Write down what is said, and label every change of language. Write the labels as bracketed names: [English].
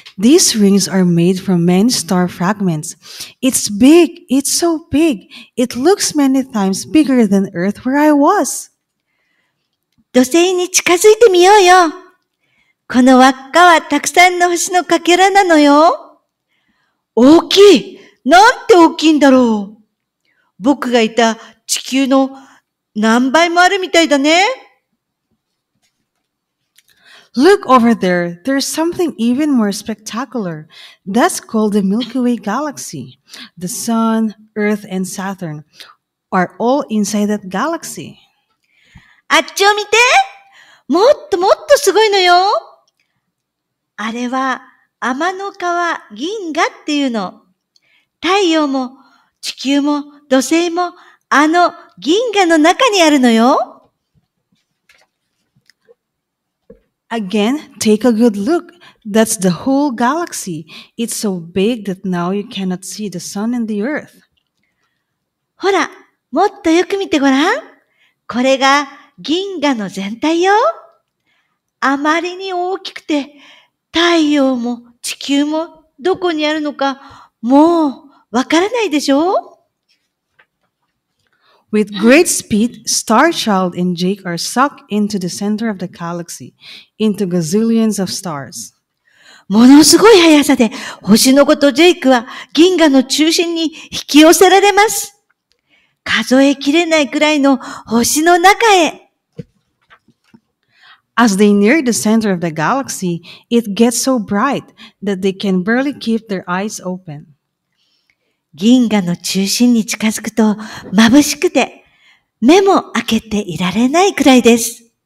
[English] These rings are made from many star fragments. It's big, it's so big. It looks many times bigger than Earth where I was. [Japanese] 土星に近づいてみようよ。この輪っかはたくさんの星のかけらなのよ。大きい! なんて大きいんだろう!僕がいた地球の何倍もあるみたいだね! [English] Look over there. There's something even more spectacular. That's called the Milky Way galaxy. The Sun, Earth, and Saturn are all inside that galaxy. [Japanese] あっちを見て。もっともっとすごいのよ。あれは天の川銀河っていうの。太陽も地球も土星もあの銀河の中にあるのよ。 [English] Again, take a good look. That's the whole galaxy. It's so big that now you cannot see the sun and the earth. [Japanese] ほら、もっとよく見てごらん。これが銀河の全体よ。あまりに大きくて、太陽も地球もどこにあるのかもうわからないでしょ? [English] With great speed, Starchild and Jake are sucked into the center of the galaxy, into gazillions of stars. [Japanese] ものすごい速さで、星のごとジェイクは銀河の中心に引き寄せられます。数えきれないくらいの星の中へ。 [English] As they near the center of the galaxy, it gets so bright that they can barely keep their eyes open. [Japanese] 銀河の中心に近づくと眩しくて目も開けていられないくらいです。